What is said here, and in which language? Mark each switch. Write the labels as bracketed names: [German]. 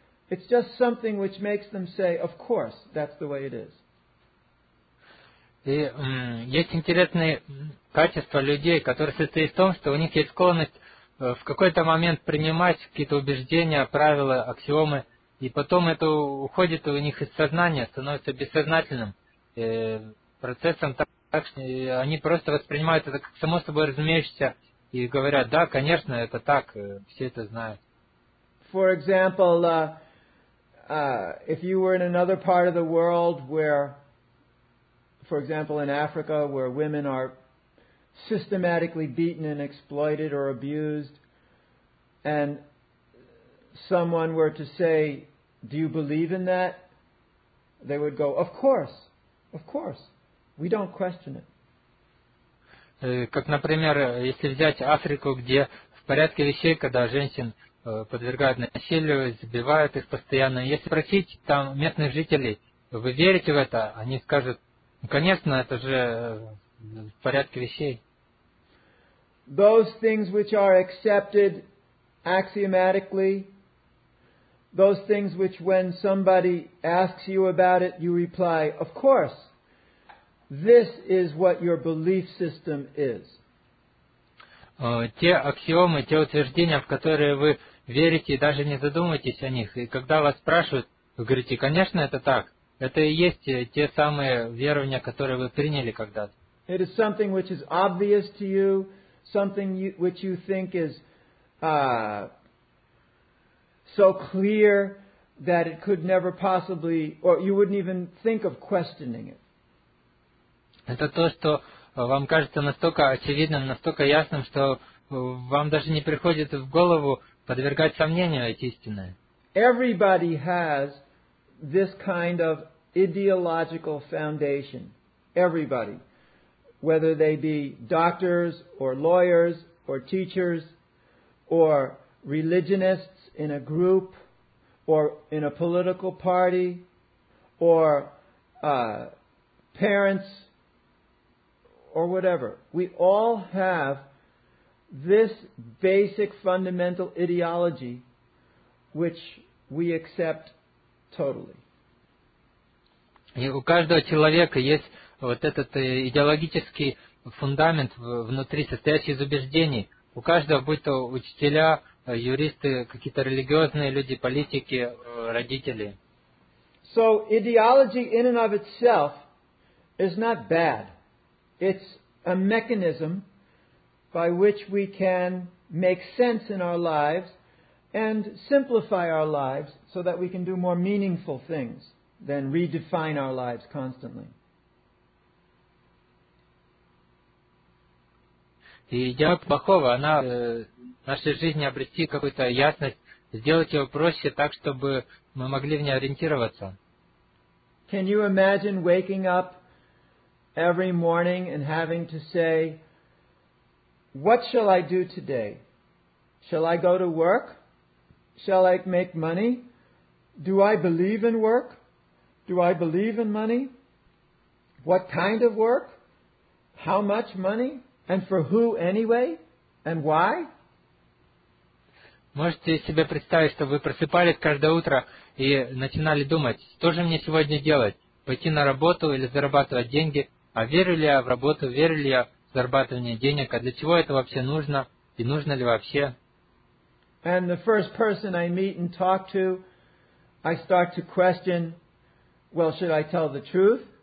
[English] It's just something which makes them say, of course, that's the way it is. [Russian] И есть интересные качества людей, которые состоят в том, что у них есть склонность в какой-то момент принимать какие-то убеждения, правила, аксиомы, и потом это уходит у них из сознания, становится бессознательным процессом, так что они просто воспринимают это как само собой разумеющееся и говорят, да, конечно, это так, все это знают. [English] For example, if you were in another part of the world where, for example, in Africa, where women are systematically beaten and exploited or abused, and someone were to say, do you believe in that? They would go, of course, we don't question it. [Russian] Как, например, если взять Африку, где в порядке вещей, когда женщин подвергают насилию, избивают их постоянно. Если спросить там местных жителей, вы верите в это? Они скажут, ну, конечно, это же в порядке вещей. [English] Those things which are accepted axiomatically, those things which when somebody asks you about it, you reply, of course, this is what your belief system is. [Russian] Те аксиомы, те утверждения, в которые вы верите, даже не задумывайтесь о них. И когда вас спрашивают, вы говорите, конечно, это так. Это и есть те самые верования, которые вы приняли когда-то. [English] It is something which is obvious to you, something which you think is so clear that it could never possibly, or you wouldn't even think of questioning it. [Russian] Это то, что вам кажется настолько очевидным, настолько ясным, что вам даже не приходит в голову подвергать сомнению эти истины. [English] Everybody has this kind of ideological foundation. Everybody. Whether they be doctors or lawyers or teachers or religionists in a group or in a political party or parents or whatever. We all have this basic fundamental ideology, which we accept totally. [Russian] И у каждого человека есть вот этот идеологический фундамент внутри, состоящий из убеждений. У каждого, будь то учителя, юристы, какие-то религиозные люди, политики, родители. [English] So ideology in and of itself is not bad. It's a mechanism by which we can make sense in our lives and simplify our lives so that we can do more meaningful things than redefine our lives constantly. [Russian] Идея плохого, она в нашей жизни обрести какую-то ясность, сделать ее проще так, чтобы мы могли в ней ориентироваться. [English] Can you imagine waking up every morning and having to say, What shall I do today? Shall I go to work? Shall I make money? Do I believe in work? Do I believe in money? What kind of work? How much money? And for who anyway? And why? [Russian] Можете себе представить, что вы просыпались каждое утро и начинали думать, что же мне сегодня делать? Пойти на работу или зарабатывать деньги? А верю ли я в работу, верю ли я в зарабатывание денег? А для чего это вообще нужно? И нужно ли вообще? [English] And the first person I meet and talk to, I start to question, well, should I tell the truth?